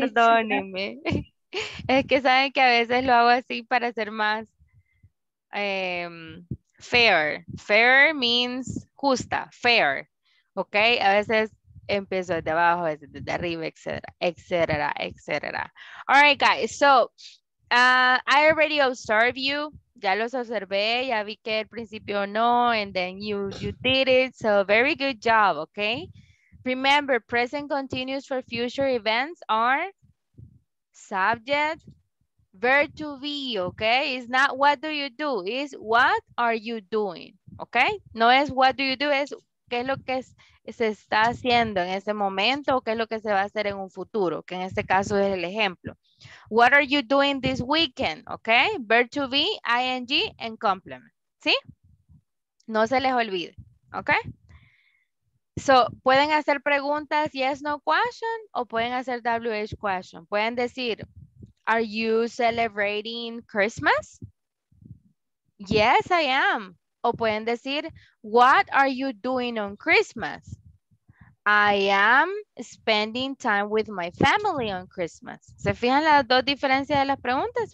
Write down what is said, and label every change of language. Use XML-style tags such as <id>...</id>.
<es>perdónenme, es que saben que a veces lo hago así para ser más</es> <en>fair means</en> <es>justa, fair, ok, a veces empiezo desde abajo, desde arriba, etcétera.</es> <en>All right, guys, so I already observed you.</en> <es>Ya los observé, ya vi que al principio no,</es> <en>and then you did it, so very good job, okay? Remember, present continuous for future events are subject, verb to be, okay? It's not what do you do, it's what are you doing, okay?</en> <es>No es</es> <en>what do you do,</en> <es>es qué es lo que se está haciendo en ese momento o qué es lo que se va a hacer en un futuro, que en este caso es el ejemplo.</es> <en>What are you doing this weekend? Okay, verb to be, ing, and complement.</en> <es>¿Sí? No se les olvide.</es> <en>Okay.</en> <es>So, pueden hacer preguntas</es> <en>yes, no question,</en> <es>o pueden hacer</es> <en>WH question.</en> <es>Pueden decir,</es> <en>are you celebrating Christmas? Yes, I am.</en> <es>O pueden decir,</es> <en>what are you doing on Christmas? I am spending time with my family on Christmas.</en> <es>¿Se fijan las dos diferencias de las preguntas?</es>